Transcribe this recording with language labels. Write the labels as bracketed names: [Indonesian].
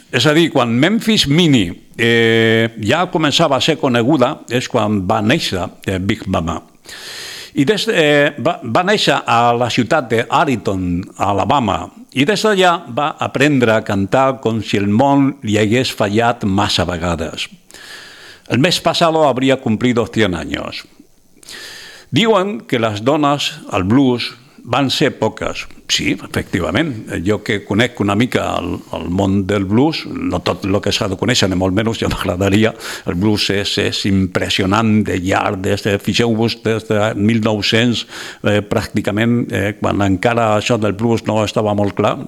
[Catalan] És a dir, quan Memphis Minnie ja començava a ser coneguda, és quan va néixer Big Mama. I va néixer a la ciutat d'Ariton, Alabama, i des d'allà va aprendre a cantar com si el món li hagués fallat massa vegades. [Spanish] El mes passado habría cumplido 100 años. [Catalan] Diuen que les dones, el blues, van ser poques. Sí, efectivament. Jo que conec una mica el món del blues, no tot el que s'ha de conèixer, ni molt menys, ja m'agradaria. El blues és impressionant de llarg. Fixeu-vos des de 1900, pràcticament, quan encara això del blues no estava molt clar.